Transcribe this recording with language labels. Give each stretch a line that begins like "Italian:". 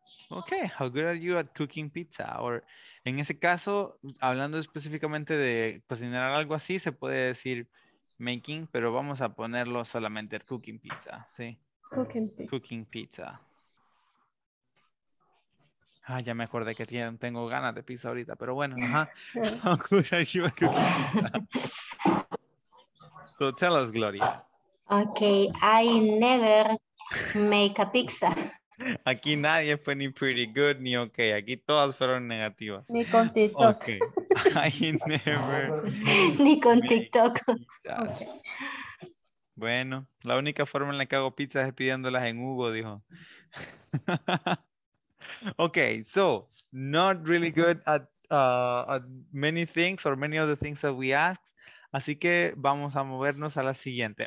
English: Okay, how good are you at cooking pizza?
Spanish: Or en ese caso, hablando específicamente de cocinar algo así, se puede decir making, pero vamos a ponerlo solamente
English: at cooking pizza,
Spanish: ¿sí?
English: Cooking pizza. Cooking pizza.
Spanish: Ah, ya me acordé que tengo ganas de pizza ahorita, pero bueno, ajá.
English: How good are you at cooking pizza? So tell us, Gloria. Okay, I never make a pizza.
Spanish: Aquí nadie fue ni pretty good ni okay. Aquí todas fueron negativas. Ni con TikTok.
English: Okay. I never.
Spanish: Ni con TikTok.
English: Okay.
Spanish: Bueno, la única forma en la que hago pizza es pidiéndolas en Hugo, dijo.
English: Okay, so not really good at many things or many other things that we asked.
Spanish: Así que vamos a movernos a la siguiente.